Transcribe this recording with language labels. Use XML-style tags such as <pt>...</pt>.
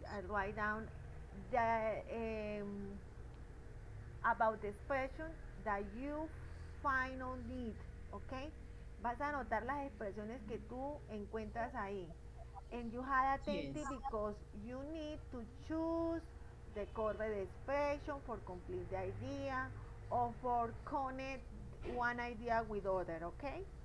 <en>Write down the about the expression that you find or need.</en> <es>Okay, vas a anotar las expresiones que tú encuentras ahí.</es> <en>And you had attentive, yes, because you need to choose the correct expression for complete the idea or for connect one idea with other, okay?</en>